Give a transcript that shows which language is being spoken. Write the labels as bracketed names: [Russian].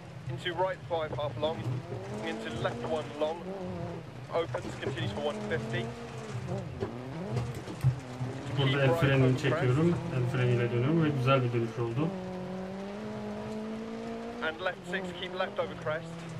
[English] Into right 5 half long, into left 1 long, opens, continues for 150. [Turkish] Burada el frenini çekiyorum, el freniyle dönüyorum ve güzel bir dönüş oldu. [English] And left 6, keep left over crest.